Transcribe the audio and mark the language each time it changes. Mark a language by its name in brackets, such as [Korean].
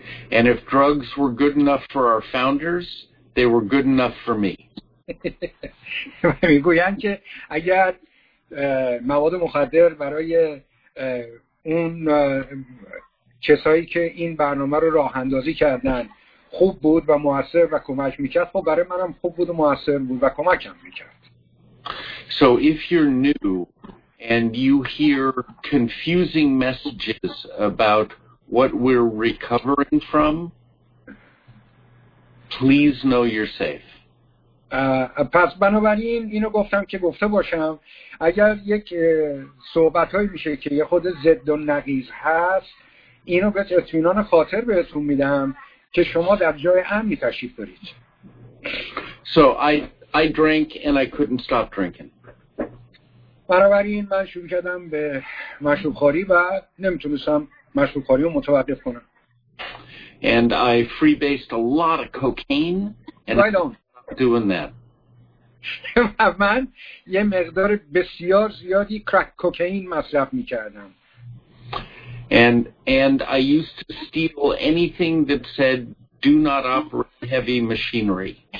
[English] And if drugs were good enough for our founders, they were good enough for me. [Persian] میگوین که اگر مواد مخدر برای اون کسایی که این برنامه رو راه اندازی کردن خوب بود و مؤثر و کمک میکرد، خب برای منم خوب بود و مؤثر بود و کمکم میکرد. [English] So if you're new and you hear confusing messages about what we're recovering from, please know you're safe. [Persian] پس بنابراین اینو گفتم که گفته باشم اگر یک صحبتهایی میشه که یه خود ضد و نقیض هست اینو به اطمینان خاطر بهتون میدم که شما در جای امنی تشریف دارید. [English] So I drank and I couldn't stop drinking. [Persian] بنابراین من شروع کردم به مشروب خوری و نمیتونستم مشروب خوری رو متوقف کنم. [English] And I freebased a lot of cocaine and I don't doing that. [Persian] من یه مقدار بسیار زیادی کرک کوکائین مصرف می‌کردم. [English] And I used to steal anything that said do not operate heavy machinery.